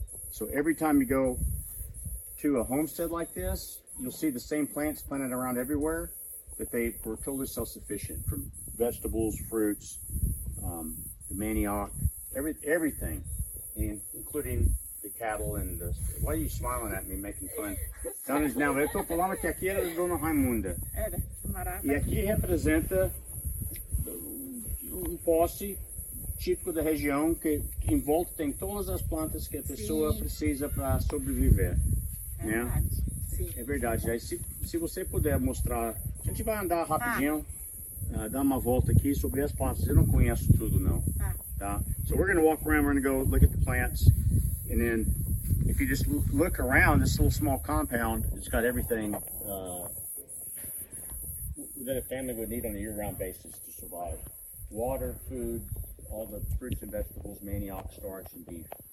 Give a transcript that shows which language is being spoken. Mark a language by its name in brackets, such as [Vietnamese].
[English] So every time you go to a homestead like this, you'll see the same plants planted around everywhere that they were totally self-sufficient from vegetables, fruits, the manioc, everything, and including the cattle and the... Why are you smiling at me, making fun? Don is now... [Portuguese] Eu tô falando que aqui era Dona Raimunda. E aqui representa um posse típico da região, que em volta tem todas as plantas que a pessoa precisa para sobreviver. Né? É verdade. Aí, se você puder mostrar, a gente vai andar rapidinho, dar uma volta aqui sobre as plantas. Eu não conheço tudo, não. Tá. [English] So we're going to walk around, we're going to go look at the plants, and then if you just look around, this little small compound, it's got everything that a family would need on a year-round basis to survive. Water, food, all the fruits and vegetables, manioc, starch, and beef.